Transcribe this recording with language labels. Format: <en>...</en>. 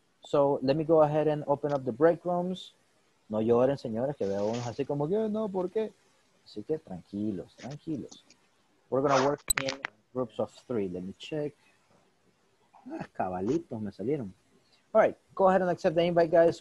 <en>So, let me go ahead and open up the break rooms.</en> <es>No lloren, señores, que veo unos así como que no, ¿por qué? Así que tranquilos.</es> <en>We're going to work in groups of three. Let me check.</en> <es>Ah, cabalitos me salieron.</es> <en>All right, go ahead and accept the invite, guys.</en>